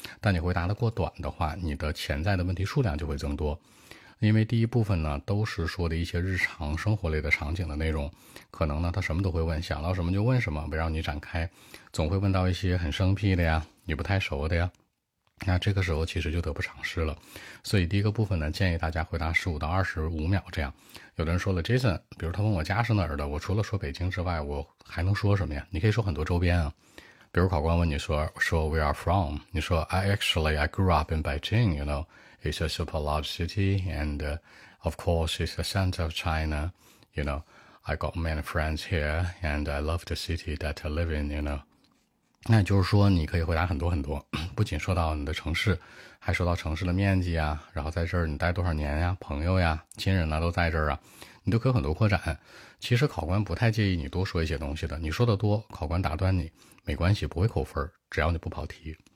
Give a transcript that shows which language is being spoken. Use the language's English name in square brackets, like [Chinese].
[Chinese] 但你回答的过短的话，你的潜在的问题数量就会增多，因为第一部分呢都是说的一些日常生活类的场景的内容，可能呢他什么都会问，想到什么就问什么，围绕你展开，总会问到一些很生僻的呀，你不太熟的呀，那这个时候其实就得不偿失了。所以第一个部分呢，建议大家回答15到25秒这样。有的人说了， Jason, 比如他问我家是哪儿的，我除了说北京之外我还能说什么呀？你可以说很多周边啊，比如考官问你说 [English] Where are from? [Chinese] 你说 [English] I grew up in Beijing, you know, it's a super large city, and of course it's the center of China, you know, I got many friends here, and I love the city that I live in, you know。 [Chinese] 那就是说你可以回答很多很多，不仅说到你的城市，还说到城市的面积啊，然后在这儿你待多少年呀，朋友呀，亲人呢都在这儿啊，你都可以很多扩展。其实考官不太介意你多说一些东西的，你说的多考官打断你没关系，不会扣分，只要你不跑题。